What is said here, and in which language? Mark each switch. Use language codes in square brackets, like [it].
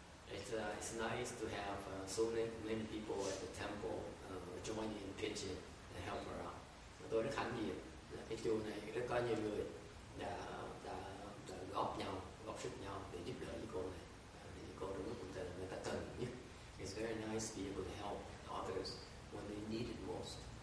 [en] It's nice to have so many people at the temple joining pitching to help her out. [vi] Và tôi rất hạnh diện là cái chùa này rất có nhiều người đã góp nhau, góp sức nhau để giúp đỡ cô này. Thì cô đúng là người ta cần nhất. [en] It's very nice to be able to help others when they need it most.